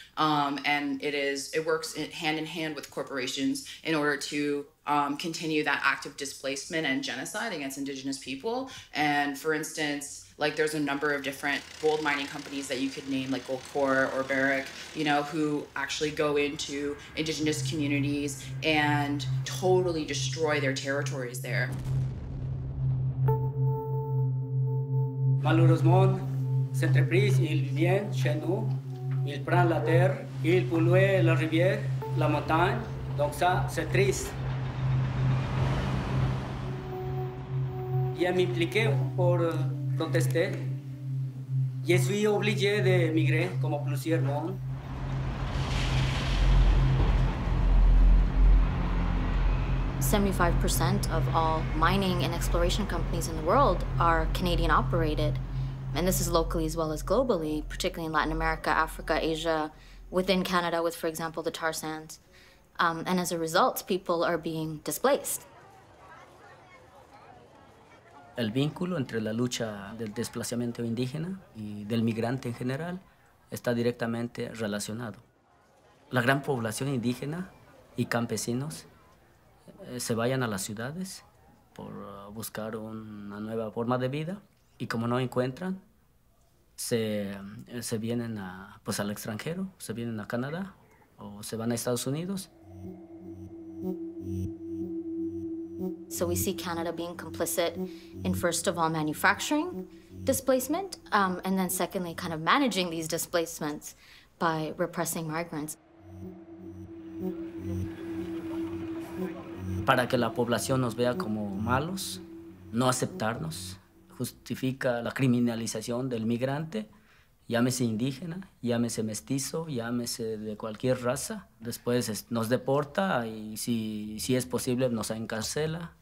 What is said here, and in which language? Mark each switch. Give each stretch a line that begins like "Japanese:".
English: And it works hand in hand with corporations in order to continue that active displacement and genocide against Indigenous people. And for instance, like there's a number of different gold mining companies that you could name, like Goldcorp or Barrick, you know, who actually go into Indigenous communities and totally destroy their territories there.
French: Malheureusement, cette entreprise, il vient chez nous, il prend la terre, il pollue la rivière, la montagne, donc ça, c'est triste. Je m'implique pour protester. Je suis obligé de migrer, comme plusieurs mondes.
English: 75% of all mining and exploration companies in the world are Canadian operated. And this is locally as well as globally, particularly in Latin America, Africa, Asia, within Canada with, for example, the tar sands. And as a result, people are being displaced.
Spanish: El vínculo entre la lucha del desplazamiento indígena y del migrante en general está directamente relacionado. La gran población indígena y campesinos se vayan a las ciudades por buscar una nueva forma de vida y como no encuentran, se vienen a, pues al extranjero, se vienen a Canadá o se van a Estados Unidos.
English: So we see Canada being complicit in, first of all, manufacturing displacement, and then secondly, kind of managing these displacements by repressing migrants.
Spanish: Para que la población nos vea como malos, no aceptarnos, justifica la criminalización del migrante, llámese indígena, llámese mestizo, llámese de cualquier raza. Después nos deporta y si es posible nos encarcela.